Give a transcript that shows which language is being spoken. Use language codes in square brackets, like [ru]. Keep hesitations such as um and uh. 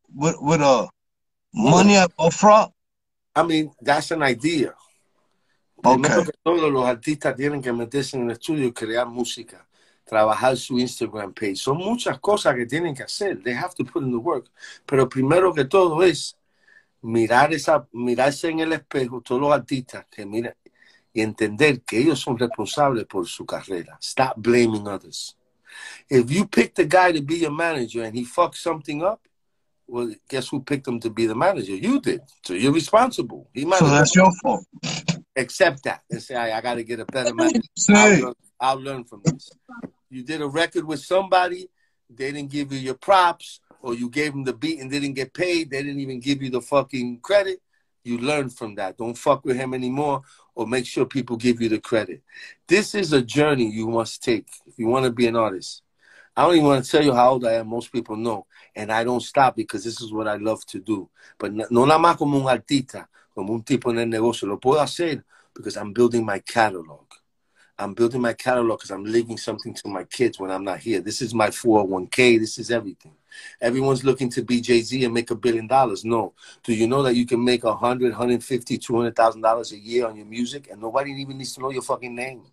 [en] with with a uh, money upfront? I mean, that's an idea. Okay. [es] Que todos los artistas tienen que meterse en el estudio y crear música, trabajar su Instagram page. Son muchas cosas que tienen que hacer. [en] They have to put in the work. [es] Pero primero que todo es mirar esa, mirarse en el espejo todos los artistas que miran y entender que ellos son responsables por su carrera. [en] Stop blaming others. If you pick the guy to be your manager and he fucks something up, well, guess who picked him to be the manager? You did. So you're responsible. He might. So matters. that's your fault. Accept that and say, I, I got to get a better manager. I'll, learn, I'll learn, from this. You did a record with somebody. They didn't give you your props, or you gave them the beat and they didn't get paid. They didn't even give you the fucking credit. You learn from that. Don't fuck with him anymore, or make sure people give you the credit. This is a journey you must take if you want to be an artist. I don't even want to tell you how old I am. Most people know. And I don't stop because this is what I love to do. [es] But no nada más como un artista, como un tipo en el negocio. Lo puedo hacer [en] because I'm building my catalog. I'm building my catalog because I'm leaving something to my kids when I'm not here. This is my 401k. This is everything. Everyone's looking to be Jay-Z and make a billion dollars. No. Do you know that you can make $100, 150 $200,000 a year on your music and nobody even needs to know your fucking name?